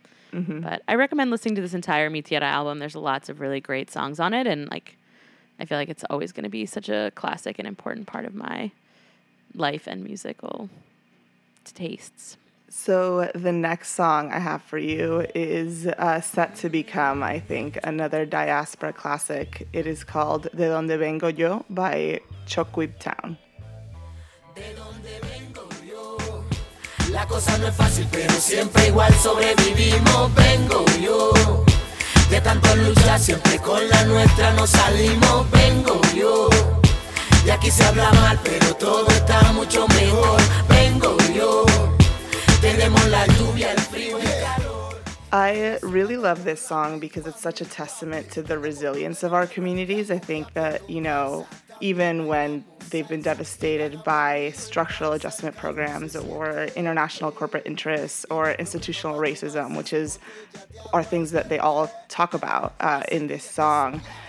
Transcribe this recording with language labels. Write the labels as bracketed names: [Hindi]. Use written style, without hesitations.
[English] But I recommend listening to this entire Mi Tierra album. There's lots of really great songs on it, and, like, I feel like it's always going to be such a classic and important part of my life and musical tastes. So the next song I have for you is set to become, I think, another diaspora classic. It is called De Donde Vengo Yo by Choquib Town. [Spanish] De donde vengo yo, la cosa no es fácil, pero siempre igual sobrevivimos. Vengo yo, de tanto luchar, siempre con la nuestra nos salimos. Vengo yo, de aquí se habla mal, pero todo está mucho mejor. Vengo yo, tenemos la lluvia, el frío y el calor. [English] I really love this song because it's such a testament to the resilience of our communities. I think that, you know, even when they've been devastated by structural adjustment programs or international corporate interests or institutional racism, which is are things that they all talk about in this song.